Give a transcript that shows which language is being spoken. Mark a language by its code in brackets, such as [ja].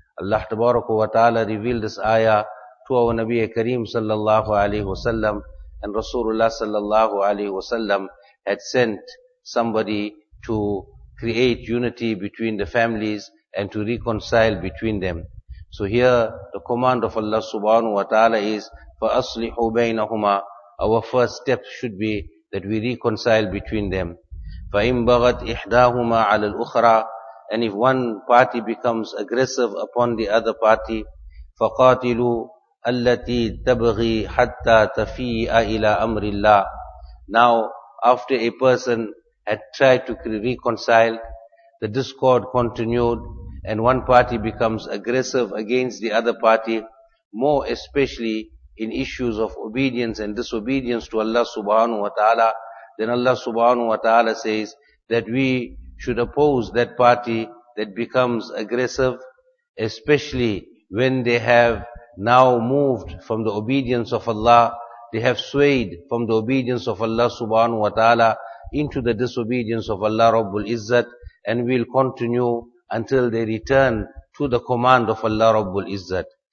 [en] Allah Tabaraka wa Ta'ala revealed this ayah to our Nabi Kareem sallallahu alayhi wa sallam, and Rasulullah sallallahu alayhi wa sallam had sent somebody to create unity between the families and to reconcile between them. So here the command of Allah subhanahu wa ta'ala is [ar] فَأَصْلِحُوا بَيْنَهُمَا, [en] our first step should be that we reconcile between them. [ar] فَإِن بَغَتْ إِحْدَاهُمَا عَلَى الْأُخْرَى, [en] and if one party becomes aggressive upon the other party, [ar] فَقَاتِلُوا أَلَّتِي تَبْغِي حَتَّى تَفِيئَ إِلَىٰ أَمْرِ اللَّهِ. [en] Now after a person had tried to reconcile, the discord continued, and one party becomes aggressive against the other party, more especially in issues of obedience and disobedience to Allah subhanahu wa ta'ala, then Allah subhanahu wa ta'ala says that we should oppose that party that becomes aggressive, especially when they have now moved from the obedience of Allah, they have swayed from the obedience of Allah subhanahu wa ta'ala into the disobedience of Allah Rabbul Izzat, and will continue until they return to the command of Allah Rabbul Izzat.